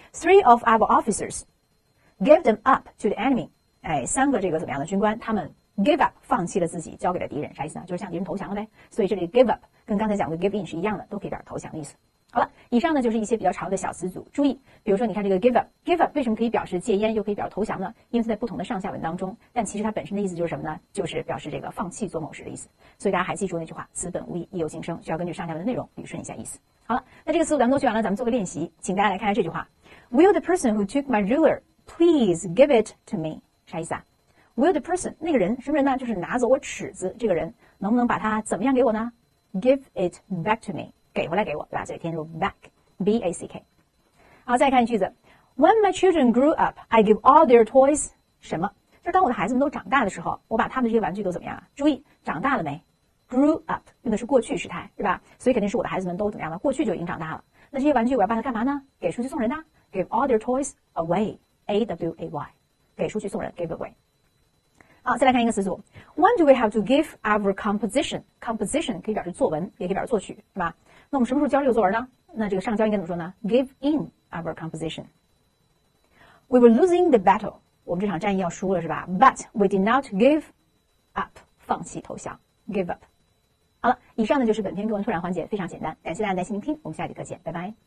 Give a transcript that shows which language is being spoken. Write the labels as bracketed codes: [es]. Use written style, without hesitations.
[en] Three of our officers gave them up to the enemy. [zh] 哎，三个这个怎么样的军官，他们 give up, 放弃了自己，交给了敌人，啥意思呢？就是向敌人投降了呗。所以这里 give up 跟刚才讲的 give in 是一样的，都可以表示投降的意思。好了，以上呢就是一些比较长的小词组，注意比如说你看这个 give up 为什么可以表示戒烟又可以表示投降呢？因为在不同的上下文当中，但其实它本身的意思就是什么呢？就是表示这个放弃做某事的意思。所以大家还记住那句话，词本无意义有形声，需要根据上下文的内容捋顺一下意思。好了，那这个词组咱们都学完了，咱们做个练习，请大家来看看这句话。 [en] Will the person who took my ruler please give it to me? [zh] 啥意思啊？ [en] Will the person, [zh] 那个人什么人呢？就是拿走我尺子这个人，能不能把它怎么样给我呢？ [en] Give it back to me, [zh] 给回来给我，对吧？所以填入 back, B-A-C-K。好，再看一句子。 [en] When my children grew up, I gave all their toys [zh] 什么？就是当我的孩子们都长大的时候，我把他们这些玩具都怎么样？注意，长大了没？grew up 用的是过去时态，对吧？所以肯定是我的孩子们都怎么样了？过去就已经长大了。那这些玩具我要把它干嘛呢？给出去送人呢？ [en] Give all their toys away, [zh] A-W-A-Y, 给出去送人， give away。好，再来看一个词组。 [en] When do we have to give our composition? [zh] Composition 可以表示作文，也可以表示作曲，是吧？那我们什么时候交这个作文呢？那这个上交应该怎么说呢？ [en] Give in our composition. We were losing the battle. [zh] 我们这场战役要输了，是吧？ [en] But we did not give up. [zh] 放弃投降。 [en] Give up. [zh] 好了，以上呢就是本篇课文突然环节，非常简单。感谢大家耐心聆听，我们下节课见，拜拜。